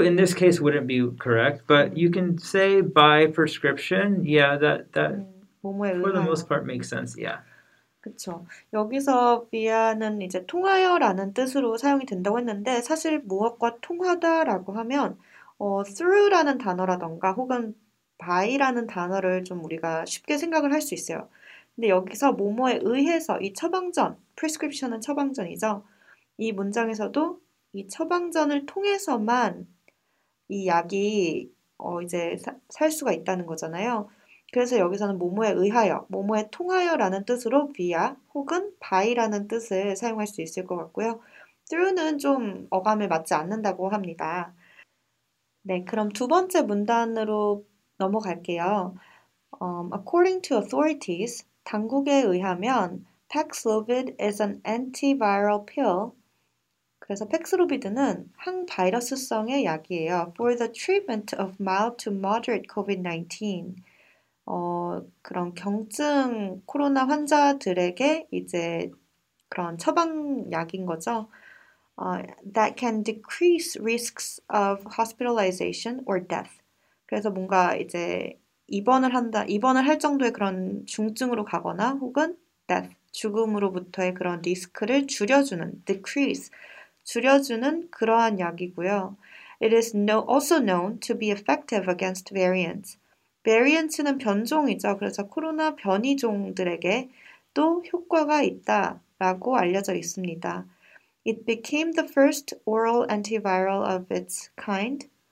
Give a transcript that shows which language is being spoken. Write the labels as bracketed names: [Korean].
[English] in this case wouldn't be correct, but you can say by prescription. Yeah, that for the most part makes sense. Yeah. [Korean] 그렇죠. 여기서 비아는 이제 통하여라는 뜻으로 사용이 된다고 했는데 사실 무엇과 통하다라고 하면 through라는 단어라던가 혹은 by라는 단어를 좀 우리가 쉽게 생각을 할수 있어요. 근데 여기서 뭐뭐에 의해서 이 처방전, prescription은 처방전이죠. 이 문장에서도 이 처방전을 통해서만 이 약이 이제 살 수가 있다는 거잖아요. 그래서 여기서는 뭐뭐에 의하여, 뭐뭐에 통하여라는 뜻으로 via 혹은 by라는 뜻을 사용할 수 있을 것 같고요. through는 좀 어감에 맞지 않는다고 합니다. 네, 그럼 두 번째 문단으로 넘어갈게요. [English] According to authorities, [Korean] 당국에 의하면 [English] Paxlovid is an antiviral pill. [Korean] 그래서 팩스로비드는 항바이러스성의 약이에요. [English] For the treatment of mild to moderate COVID-19. [Korean] 그런 경증 코로나 환자들에게 이제 그런 처방약인 거죠. [English] That can decrease risks of hospitalization or death. [Korean] 그래서 뭔가 이제 입원을 할 정도의 그런 중증으로 가거나 혹은 death, 죽음으로부터의 그런 리스크를 줄여주는, decrease, 줄여주는 그러한 약이고요. [English] It is also known to be effective against variants. [Korean] variants는 변종이죠. 그래서 코로나 변이종들에게 또 효과가 있다라고 알려져 있습니다. [English] It became the first oral antiviral of its kind.